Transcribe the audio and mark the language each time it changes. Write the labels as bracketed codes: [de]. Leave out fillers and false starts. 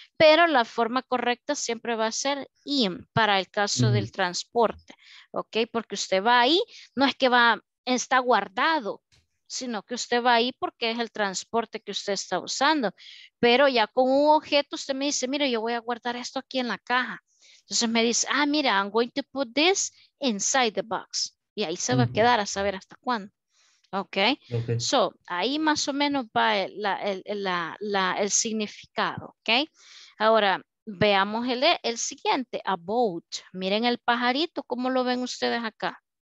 [es] Pero la forma correcta siempre va a ser in para el caso del transporte, ¿ok? Porque usted va ahí, no es que va, está guardado, sino que usted va ahí porque es el transporte que usted está usando. Pero ya con un objeto usted me dice, mire, yo voy a guardar esto aquí en la caja. Entonces me dice, mira, [en] I'm going to put this inside the box. [es] Y ahí se va a quedar a saber hasta cuándo. Okay. Ok, so ahí más o menos va el significado, ok. Ahora veamos el siguiente, a boat. Miren el pajarito, ¿cómo lo ven ustedes acá?